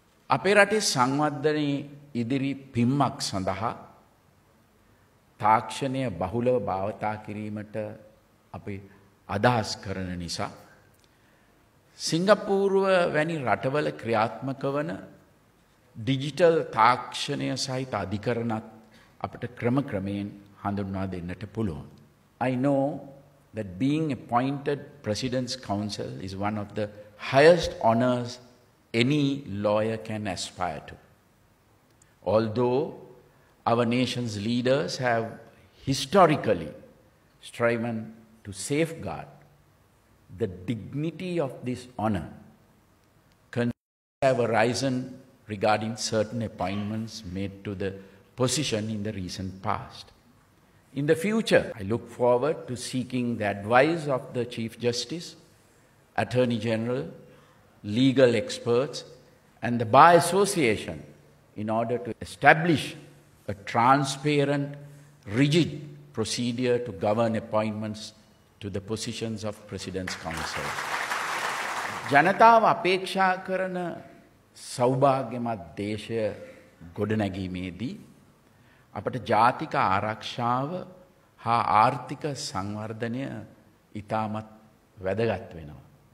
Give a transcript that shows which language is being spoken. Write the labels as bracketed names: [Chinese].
[Sinhala] අපේ රටේ සංවර්ධනයේ ඉදිරි පිම්මක් සඳහා තාක්ෂණය බහුලව භාවිතා කිරීමට අපි අදහස් කරන නිසා සිංගප්පූරුව වැනි රටවල ක්‍රියාත්මක වන ඩිජිටල් තාක්ෂණය සහිත අධිකරණත් අපට ක්‍රම ක්‍රමයෙන් හඳුන්වා දෙන්නට පුළුවන්. [English] I know that being appointed President's Counsel is one of the highest honors any lawyer can aspire to. Although our nation's leaders have historically striven to safeguard the dignity of this honor, concerns have arisen regarding certain appointments made to the position in the recent past. In the future, I look forward to seeking the advice of the Chief Justice, Attorney General, legal experts, and the Bar Association in order to establish a transparent, rigid procedure to govern appointments to the positions of President's Counsel. [Sinhala] ජනතාව අපේක්ෂා කරන සෞභාග්‍යමත් දේශය ගොඩනැගීමේදී අපට ජාතික ආරක්ෂාව හා ආර්ථික සංවර්ධනය ඉතාමත් වැදගත් වෙනවා.